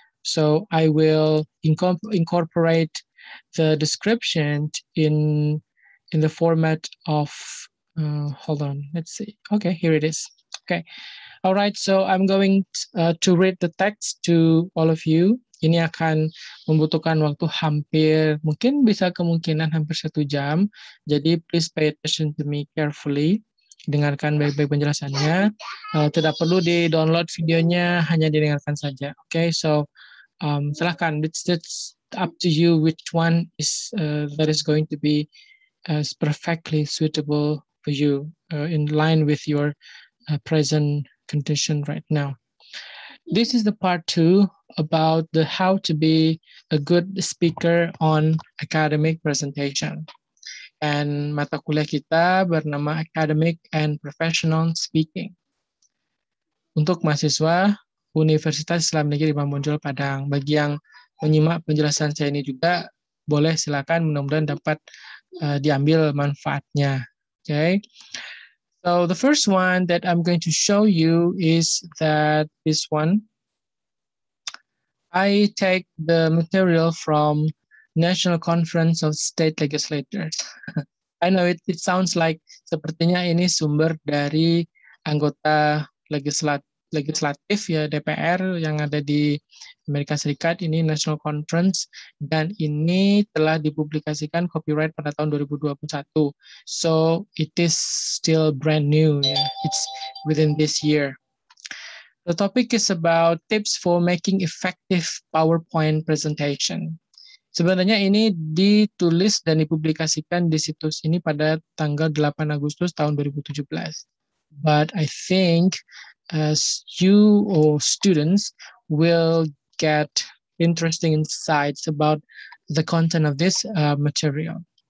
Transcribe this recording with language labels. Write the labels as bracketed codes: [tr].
[en] So I will incorporate the description in the format of, hold on, let's see. Okay, here it is. Okay, all right. So I'm going to read the text to all of you. [id] Ini akan membutuhkan waktu hampir, mungkin bisa kemungkinan hampir 1 jam. [en] Jadi please pay attention to me carefully. [id] Dengarkan baik-baik penjelasannya. Tidak perlu di download videonya, hanya didengarkan saja. [en] Okay, so silahkan. It's up to you which one is that is going to be as perfectly suitable for you, in line with your present condition right now. This is the part 2 about the how to be a good speaker on academic presentation. [id] And mata kuliah kita bernama Academic and Professional Speaking. Untuk mahasiswa Universitas Islam Negeri Mamuju Padang, bagi yang menyimak penjelasan saya ini juga, boleh silakan, mudah-mudahan dapat diambil manfaatnya. [en] Okay. So the first one that I'm going to show you is that this one. I take the material from National Conference of State Legislators. I know it sounds like [id] sepertinya ini sumber dari anggota legislatif ya DPR yang ada di Amerika Serikat, ini National Conference, dan ini telah dipublikasikan copyright pada tahun 2021. [en] So, it is still brand new. Yeah. It's within this year. The topic is about tips for making effective PowerPoint presentation. [id] Sebenarnya ini ditulis dan dipublikasikan di situs ini pada tanggal 8 Agustus tahun 2017. [en] But I think as you or students will get interesting insights about the content of this material.